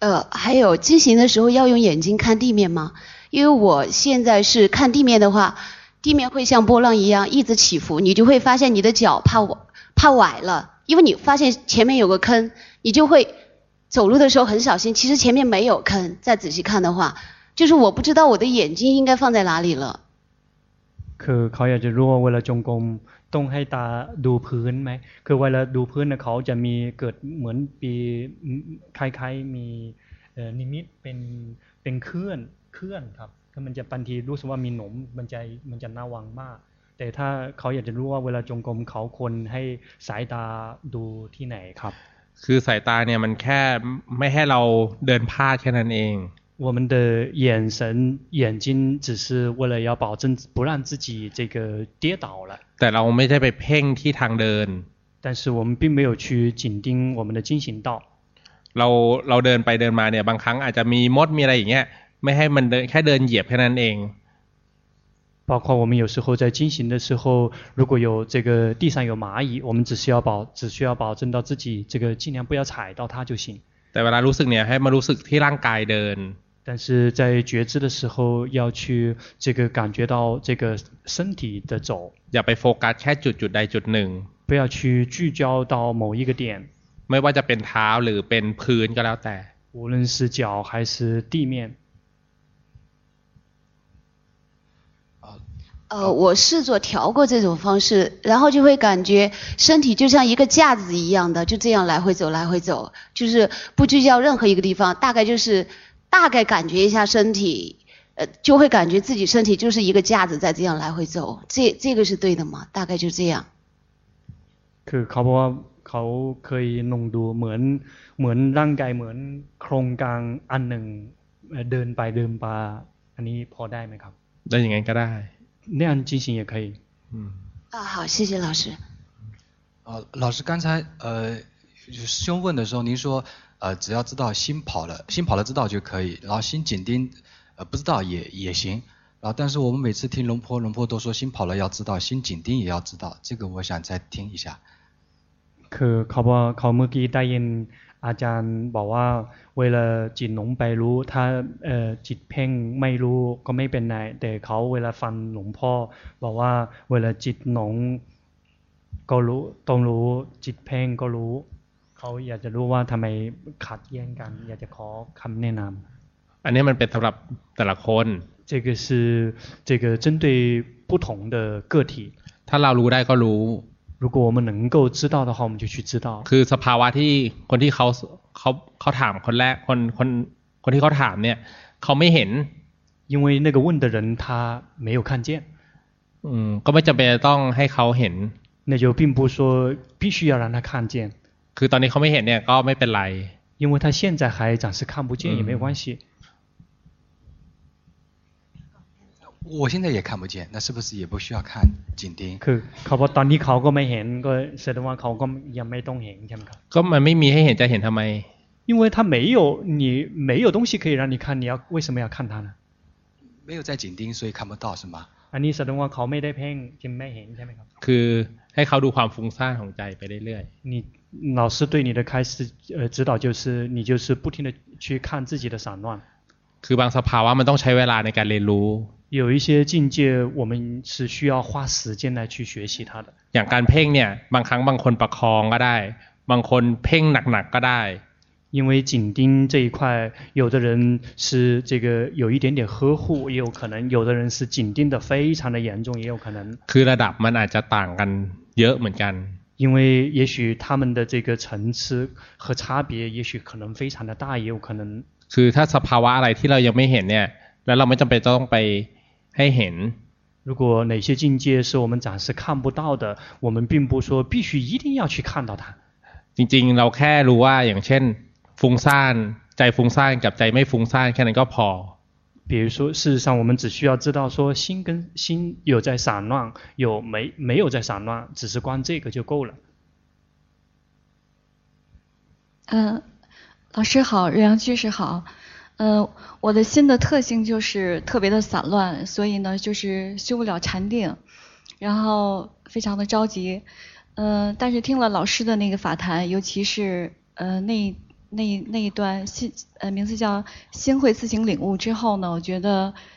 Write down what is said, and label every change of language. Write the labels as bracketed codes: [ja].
[zh] 还有进行的时候要用眼睛看地面吗因为我现在是看地面的话地面会像波浪一样一直起伏你就会发现你的脚怕崴了因为你发现前面有个坑你就会走路的时候很小心其实前面没有坑再仔细看的话就是我不知道我的眼睛应该放在哪里了 [th] คือเขาอยากจะรู้ว่าเวลาจงกรมต้องให้ตาดูพื้นไหมคือเวลาดูพื้นเขาจะมีเกิดเหมือนปีคล้ายๆมี นิมิตเป็นเคลื่อนครับมันจะบางทีรู้สึกว่ามีหนมมันจะน่าวังมากแต่ถ้าเขาอยากจะรู้ว่าเวลาจงกรมเขาคนให้สายตาดูที่ไหนครับ คือสายตาเนี่ยมันแค่ไม่ให้เราเดินพลาดแค่นั้นเอง [zh] 我们的眼神眼睛只是为了要保证不让自己这个跌倒了 [th] แต่เราไม่ได้ไปเพ่งที่ทางเดิน [zh] 但是我们并没有去紧盯我们的进行道 [th] เราเดินไปเดินมาเนี่ยบางครั้งอาจจะมีมดมีอะไรอย่างเงี้ยไม่ให้มันแค่เดินเหยียบแค่นั้นเอง [zh] 包括我们有时候在进行的时候如果有这个地上有蚂蚁我们只需要保证到自己这个尽量不要踩到它就行 [th] แต่เวลารู้สึกเนี่ยให้มารู้สึกที่ร่างกายเดิน [zh] 但是在觉知的时候要去这个感觉到这个身体的走 [th] อย่าไปโฟกัสแค่จุดใดจุดหนึ่ง [zh] 不要去聚焦到某一个点 [th] ไม่ว่าจะเป็นเท้าหรือเป็นพื้นก็แล้วแต่ [zh] 无论是脚还是地面我试着调过这种方式然后就会感觉身体就像一个架子一样的就这样来回走来回走就是不聚焦任何一个地方大概就是大概感觉一下身体就会感觉自己身体就是一个架子在这样来回走这个是对的吗大概就这样 [th] คือเขาเคยลองดูเหมือนร่างกายเหมือนโครงกลางอันหนึ่งเดินไปเดินมาอันนี้พอได้ไหมครับ ได้อย่างนั้นก็ได้ [zh] 那样进行也可以。嗯。啊，好，谢谢老师。老师刚才师兄问的时候，您说只要知道心跑了知道就可以，然后心紧盯不知道也行。然后但是我们每次听龙坡都说心跑了要知道，心紧盯也要知道，这个我想再听一下。 [th] คือเขาเมื่อกี้ได้ยินอาจารย์บอกว่าเวลาจิตหลงไปรู้ถ้าจิตเพ่งไม่รู้ก็ไม่เป็นไรแต่เขาเวลาฟังหลวงพ่อบอกว่าเวลาจิตหลงก็รู้ต้องรู้จิตเพ่งก็รู้เขาอยากจะรู้ว่าทำไมขัดแย้งกันอยากจะขอคำแนะนำ อันนี้มันเป็นสำหรับแต่ละคน [zh] 这个是这个针对不同的个体 [th] ถ้าเรารู้ได้ก็รู้ [zh] 如果我们能够知道的话我们就去知道 [th] คือสภาวะที่คนที่เขาถามคนแรกคนที่เขาถามเนี่ยเขาไม่เห็น [zh] 因为那个问的人他没有看见 [th] ก็ไม่จำเป็นต้องให้เขาเห็น [zh] 那就并不说必须要让他看见 [th] คือตอนนี้เขาไม่เห็นเนี่ยก็ไม่เป็นไร [zh] 因为他现在还暂时看不见也没关系我现在也看不见那是不是也不需要看紧盯 [th] คือเขาบอกตอนนี้เขาก็ไม่เห็นก็แสดงว่าเขาก็ยังไม่ต้องเห็นใช่ไหมครับ ก็มันไม่มีให้เห็นจะเห็นทำไม [zh] 因为他没有你没有东西可以让你看你要为什么要看他呢没有在紧盯所以看不到是吗 [th] อันนี้แสดงว่าเขาไม่ได้เพ่งจึงไม่เห็นใช่ไหมครับ คือให้เขาดูความฟุ้งซ่านของใจไปเรื่อย [zh] ๆ你老师对你的开始指导就是你就是不停的去看自己的散乱 [th] คือบางสภาวะมันต้องใช้เวลาในการเรียนรู้ [zh] 有一些境界我们是需要花时间来去学习它的 [th] อย่างการเพ่งเนี่ยบางครั้งบางคนประคองก็ได้บางคนเพ่งหนักๆก็ได้ [zh] 因为紧盯这一块有的人是这个有一点点呵护也有可能有的人是紧盯的非常的严重也有可能 [th] คือระดับมันอาจจะต่างกันเยอะเหมือนกัน [zh] 因为也许他们的这个层次和差别也许可能非常的大也有可能 [th] คือถ้าสภาวะอะไรที่เรายังไม่เห็นเนี่ยแล้วเราไม่จำเป็นต้องไปให้เห็น [zh] 如果哪些境界是我们暂时看不到的我们并不说必须一定要去看到它 [th] จริงๆเราแค่รู้ว่าอย่างเช่นฟุ้งซ่านใจฟุ้งซ่านกับใจไม่ฟุ้งซ่านแค่นั้นก็พ [zh] อ比如说事实上我们只需要知道说心跟心有在散乱有没有在散乱只是观这个就够了老师好瑞阳居士好我的心的特性就是特别的散乱所以呢就是修不了禅定然后非常的着急但是听了老师的那个法坛尤其是那一段名字叫心会自行领悟之后呢我觉得